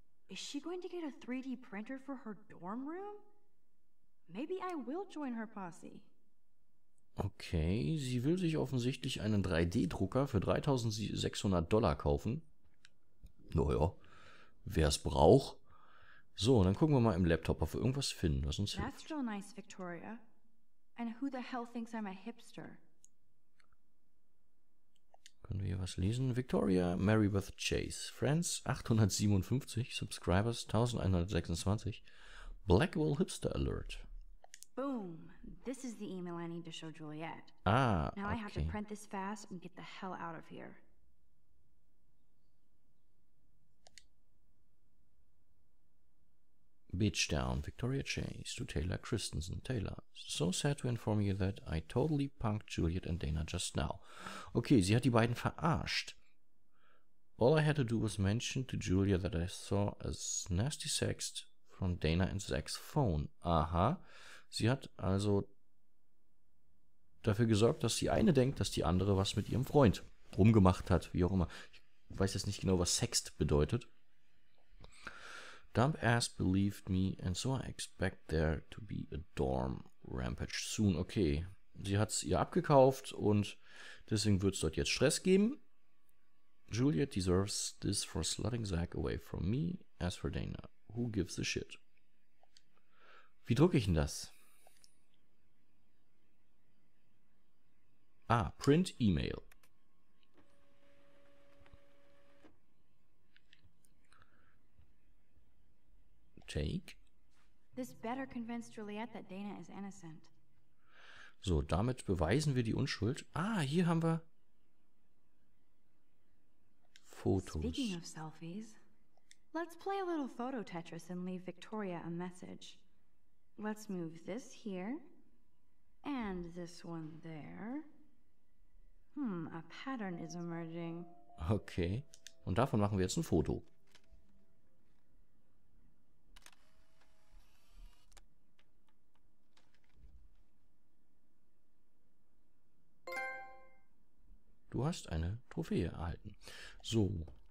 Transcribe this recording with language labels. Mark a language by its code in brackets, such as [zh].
[en] Is she going to get a 3D printer for her dorm room? Maybe I will join her posse. [de] Okay, sie will sich offensichtlich einen 3D-Drucker für $3,600 kaufen. Naja, wer es braucht. So, dann gucken wir mal im Laptop, ob wir irgendwas finden, was uns hilft. [en] That's real nice, Victoria. And who the hell thinks I'm a hipster? [de] Können wir hier was lesen? Victoria Marybeth Chase. Friends 857, Subscribers 1126. [en] Blackwell Hipster Alert. Boom. This is the email I need to show Juliet. Ah, okay. Now I have to print this fast and get the hell out of here. Beachdown, Victoria Chase to Taylor Christensen. Taylor, so sad to inform you that I totally punked Juliet and Dana just now. [de] Okay, sie hat die beiden verarscht. [en] All I had to do was mention to Julia that I saw a nasty sext from Dana and Zach's phone. [de] Aha, sie hat also dafür gesorgt, dass die eine denkt, dass die andere was mit ihrem Freund rumgemacht hat, wie auch immer. Ich weiß jetzt nicht genau, was sext bedeutet. [en] Dumbass believed me, and so I expect there to be a dorm rampage soon. [de] Okay, sie hat es ihr abgekauft und deswegen wird es dort jetzt Stress geben. [en] Juliet deserves this for slutting Zach away from me. As for Dana, who gives a shit? [de] Wie drucke ich denn das? [en] Ah, print email. Take. This better convince Juliet that Dana is innocent. [de] So, damit beweisen wir die Unschuld. Ah, hier haben wir Fotos. [en] Speaking of selfies, let's play a little photo Tetris and leave Victoria a message. Let's move this here and this one there. A pattern is emerging. [de] Okay, und davon machen wir jetzt ein Foto. Du hast eine Trophäe erhalten. So.